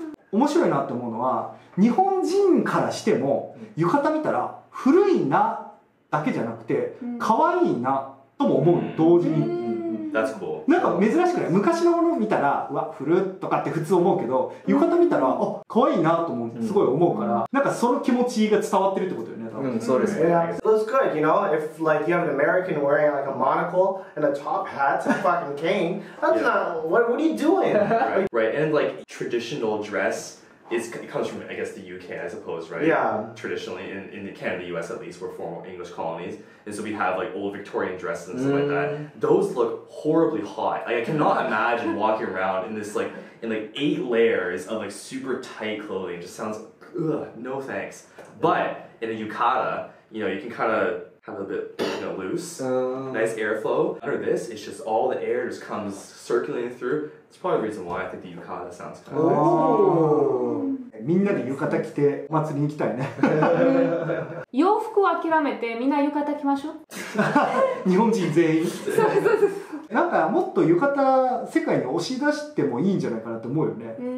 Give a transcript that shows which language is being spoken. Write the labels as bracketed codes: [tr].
[ja] 面白いなって思うのは日本人からしても浴衣見たら古いなだけじゃなくてかわいいなとも思う、うん、同時に、うん、 [en] That's cool. [ja] なんか珍しくない昔のもの見たらうわ古っとかって普通思うけど浴衣見たらあ、かわいいなと思う、すごい思うから、うん、なんかその気持ちが伝わってるってことよね、うん、そうです [en] ね、yeah. It looks good, you know? If like you have an American wearing like a monocle and a top hat and a fucking cane That's、yeah. not... What are you doing? Right. Right, and like traditional dress is, it comes from, I guess, the UK I suppose, right? Yeah. Traditionally, in Canada, the US at least, we're formal English colonies And so we have like old Victorian dresses and stuff like that Those look horribly hot Like I cannot imagine walking around in this like In like 8 layers of like super tight clothing It just sounds ugh, no thanks But in a yukata, you know, you can kind of have a bit, you know, loose Nice airflow Under this, it's just all the air just comes circulating through It's probably the reason why I think the yukata sounds kind of nice [ja] みんなで浴衣着て、お祭りに行きたいね洋服を諦めて、みんな浴衣着ましょう日本人全員そうそうそうなんか、もっと浴衣世界に押し出してもいいんじゃないかなと思うよね